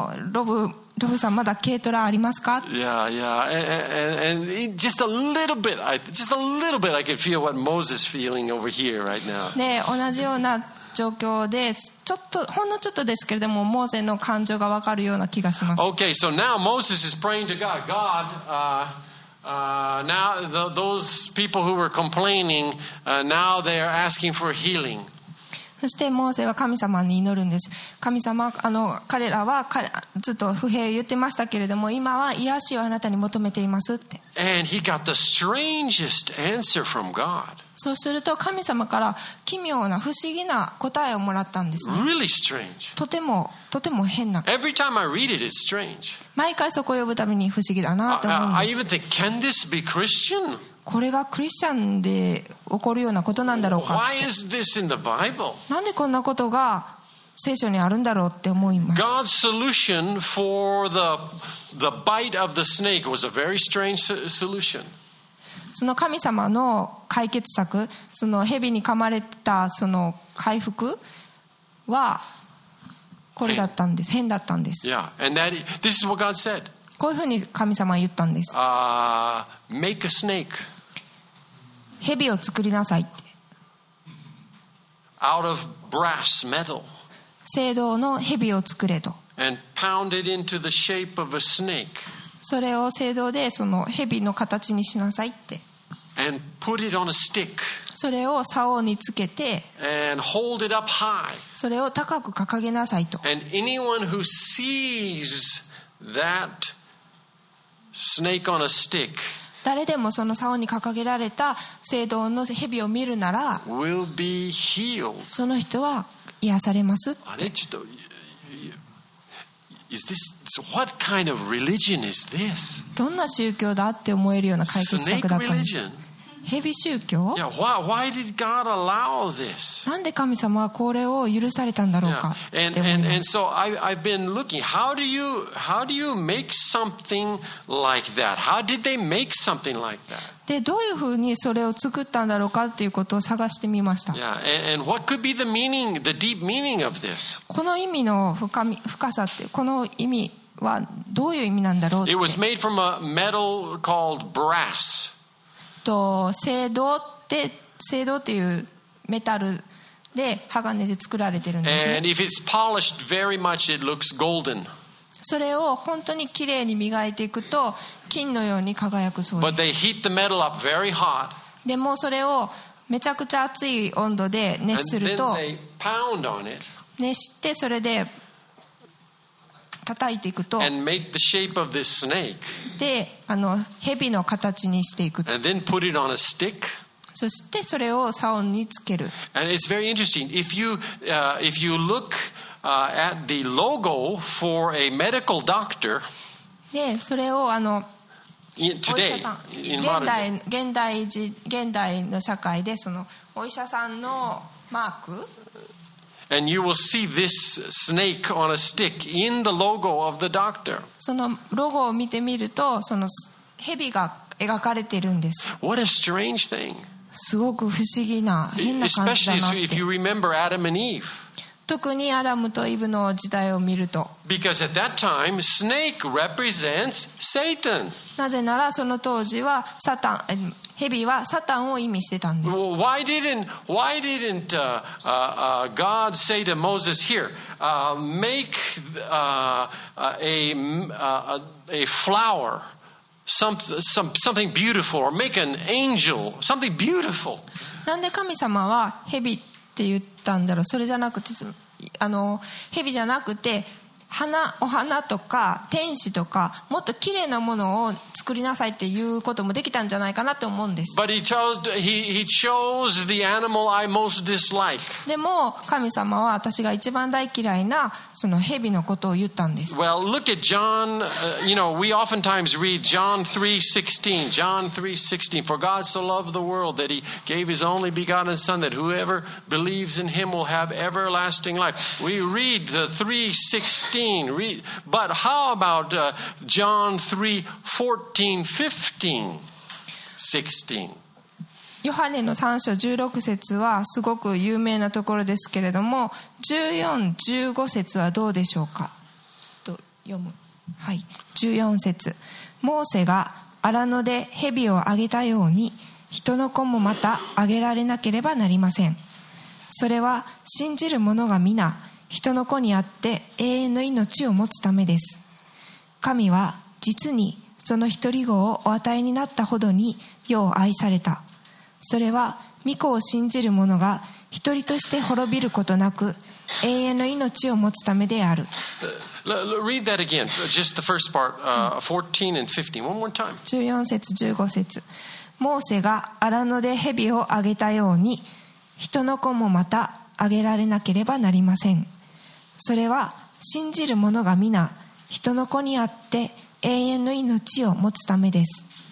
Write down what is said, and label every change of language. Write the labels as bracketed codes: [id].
[ja] ロブさんまだ軽トラありますか？ [en] Yeah, yeah. And just a little bit, I can feel what Moses is feeling over here right now. [ja] ね、同じような状況で、ちょっとほんのちょっとですけれども、モーゼの感情がわかるような気がします。 [en] Okay, so now Moses is praying to God. God, now those people who were complaining, now they are asking for healing. [ja] そしてモーセは神様に祈るんです。神様、彼らはずっと不平を言ってましたけれども、今は癒しをあなたに求めていますって。 [en] And he got the strangest answer from God. [ja] そうすると神様から奇妙な不思議な答えをもらったんですね。 [en] Really strange. [ja] とても変な。 [en] Every time I read it, it's strange. [ja] 毎回そこを読むたびに不思議だなと思うんです。 [en] I even think, can this be Christian? [ja] これがクリスチャンで起こるようなことなんだろうか。 [en] Why is this in the Bible? [ja] なんでこんなことが聖書にあるんだろうって思います。 [en] God's solution for the bite of the snake was a very strange solution. [ja] その神様の解決策、その蛇に噛まれたその回復はこれだったんです。変だったんです。 [en] Yeah, and that, this is what God said. [ja] こういうふうに神様は言ったんです。 [en] Make a snake. [ja] 蛇を作りなさいって。 [en] Out of brass metal. [ja] 青銅の蛇を作れと。 [en] And pound it into the shape of a snake. [ja] それを青銅でその蛇の形にしなさいって。 [en] And put it on a stick. [ja] それを竿につけて。 [en] And hold it up high. [ja] それを高く掲げなさいと。 [en] And anyone who sees that. Snake on a stick. [ja] 誰でもその竿に掲げられた青銅の蛇を見るなら、 [en] will be healed. [ja] その人は癒されますって。あれちょっと、 [en] is this what kind of religion is this? [ja] どんな宗教だって思えるような解決策だったんです。 [en] Snake religion. [ja] 蛇宗教？ [en] Yeah. Why did God allow this? [ja] なんで神様はこれを許されたんだろうかって思います。 [en] Yeah. And so I've been looking. How do you make something like that? How did they make something like that? [ja] でどういうふうにそれを作ったんだろうかっていうことを探してみました。 [en] Yeah. And what could be the meaning, the deep meaning of this? [ja] この意味の深さってこの意味はどういう意味なんだろうって。 [en] It was made from a metal called brass. [ja] 青銅って青銅っていうメタルで鋼で作られてるんですね。 [en] And if it's polished very much, it looks golden. [ja] それを本当にきれいに磨いていくと金のように輝くそうです。 [en] But they heat the metal up very hot. [ja] でもそれをめちゃくちゃ熱い温度で熱すると、 [en] And then they pound on it. [ja] 熱してそれで叩いていくと、 [en] And make the shape of this snake. [ja] で、蛇の形にしていく。 [en] And then put it on a stick. [ja] そしてそれを竿につける。 [en] And it's very interesting. If you look at the logo for a medical doctor. [ja] で、それを [en] Today, [ja] お医者さん、現代の社会でそのお医者さんのマーク。 [en] And you will see this snake on a stick in the logo of the doctor. [ja] そのロゴを見てみると、その蛇が描かれているんです。 [en] What a strange thing! [ja] すごく不思議な変な感じだなって。 [en] Especially if you remember Adam and Eve. [ja] 特にアダムとイブの時代を見ると。 [en] Because at that time, snake represents Satan. [ja] なぜならその当時はサタン、蛇はサタンを意味してたんです。 [en] Well, why didn't God say to Moses here, make a flower? Something beautiful, or make an angel, something beautiful. [ja] なんで神様は蛇って言ったんだろう。それじゃなくて、蛇じゃなくて花、お花とか天使とかもっと綺麗なものを作りなさいっていうこともできたんじゃないかなと思うんです。 [en] But he chose the animal I most dislike. [ja] でも神様は私が一番大嫌いなその蛇のことを言ったんです。 [en] Well, look at John. We oftentimes read John 3:16. For God so loved the world that he gave his only begotten Son, that whoever believes in him will have everlasting life. We read the 3:16. But how about John 3:14, 15, 16? [ja] ヨハネの3章16節はすごく有名なところですけれども、14、15節はどうでしょうか。と読む。はい、14節。モーセが荒野で蛇をあげたように、人の子もまたあげられなければなりません。それは信じる者が皆人の子にあって永遠の命を持つためです。神は実にその一人子をお与えになったほどによう愛された。それは御子を信じる者が一人として滅びることなく永遠の命を持つためである。 [en] Read that again, just the first part, 14 and 15, one more time. [ja] 14節15節。モーセが荒野で蛇をあげたように人の子もまたあげられなければなりません。それは信じる者が皆人の子にあって永遠の命を持つためです。